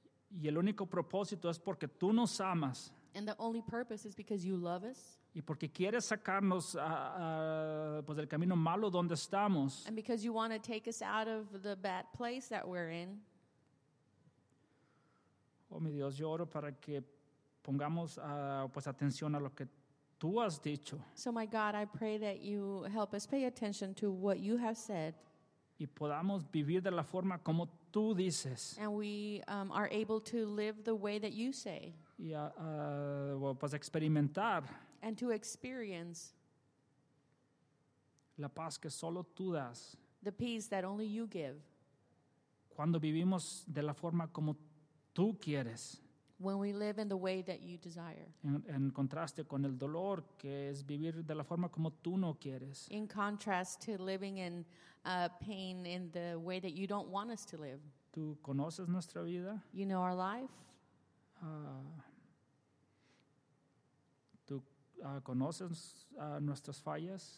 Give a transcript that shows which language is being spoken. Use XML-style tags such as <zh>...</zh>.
<es>Y el único propósito es porque tú nos amas.</es> <en>And the only purpose is because you love us.</en> <es>Y porque quieres sacarnos pues del camino malo donde estamos.</es> <en>And because you want to take us out of the bad place that we're in.</en> <es>Oh, mi Dios, yo oro para que pongamos pues atención a lo que tú has dicho.</es> <en>So, my God, I pray that you help us pay attention to what you have said.</en> <es>Y podamos vivir de la forma como tú. tú dices.</es> <en>And we are able to live the way that you say.</en> <es>Y pues experimentar.</es> <en>And to experience.</en> <es>La paz que solo tú das.</es> <en>The peace that only you give.</en> <es>Cuando vivimos de la forma como tú quieres.</es> <en>When we live in the way that you desire.</en> <es>En contraste con el dolor, que es vivir de la forma como tú no quieres.</es> <en>In contrast to living in pain in the way that you don't want us to live.</en> <es>Tú conoces nuestra vida.</es> <en>You know our life.</en> <es>Tú conoces nuestras fallas.</es>